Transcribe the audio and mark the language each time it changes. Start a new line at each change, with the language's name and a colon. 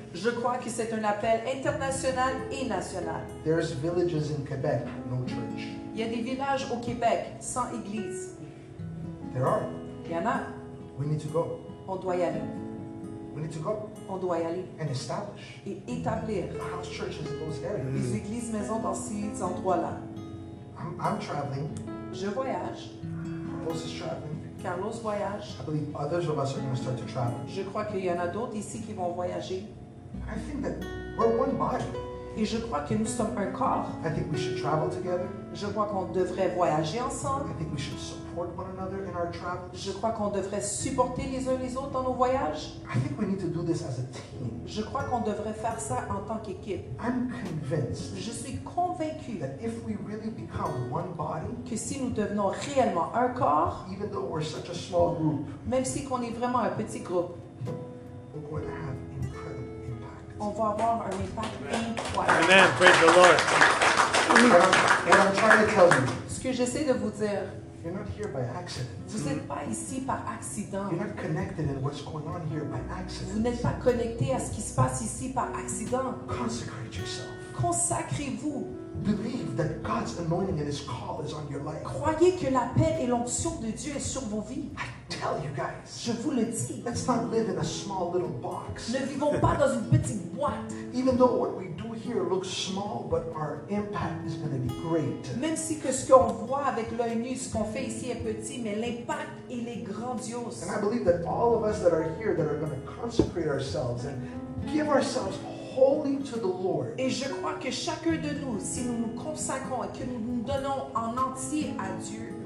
French: Je crois que c'est un appel international et national.
English: There's villages in Quebec, no church.
French: Il y a des villages au Québec sans église.
English: There are.
French: Il y en a.
English: We need to go.
French: On doit y aller.
English: We need to go.
French: On doit y aller.
English: And establish.
French: Et établir.
English: The house churches in those areas.
French: Les églises maisons dans ces endroits-là.
English: I'm traveling.
French: Je voyage.
English: Carlos is traveling.
French: Carlos voyage.
English: I believe others of us are going to start to travel.
French: Je crois qu'il y en a d'autres ici qui vont voyager.
English: I think that we're one body.
French: Et je crois que nous sommes un corps.
English: I think we should travel together.
French: Je crois qu'on devrait voyager ensemble.
English: I think we should support one another in our travels.
French: Je crois qu'on devrait supporter les uns les autres dans nos voyages.
English: I think we need to do this as a team.
French: Je crois qu'on devrait faire ça en tant qu'équipe.
English: I'm convinced.
French: Je suis convaincu.
English: That if we really become one body.
French: Que si nous devenons réellement un corps.
English: Even though we're such a small group.
French: Même si qu'on est vraiment un petit groupe.
English: We're going to have.
French: On va avoir un impact incroyable.
English: Amen. Praise the Lord. And I'm trying to tell you.
French: Ce que j'essaie de vous dire.
English: You're not here by accident.
French: Vous n'êtes pas ici par accident.
English: You're not connected in what's going on here by accident.
French: Vous n'êtes pas connecté à ce qui se passe ici par accident.
English: Consecrate yourself.
French: Consacrez-vous.
English: Believe that God's anointing and His call is on your life.
French: Croyez que la paix et l'onction de Dieu est sur vos vies.
English: I tell you guys.
French: Je vous le dis.
English: Let's not live in a small little box.
French: Ne vivons pas dans une petite boîte.
English: Even though what we do here looks small, but our impact is going to be great.
French: Même si que ce qu'on voit avec l'œil nu, ce qu'on fait ici est petit, mais l'impact il est grandiose.
English: And I believe that all of us that are here that are going to consecrate ourselves and give ourselves holy to the Lord.
French: Et je crois que chacun de nous, si nous nous consacrons et que nous nous donnons en entier à Dieu,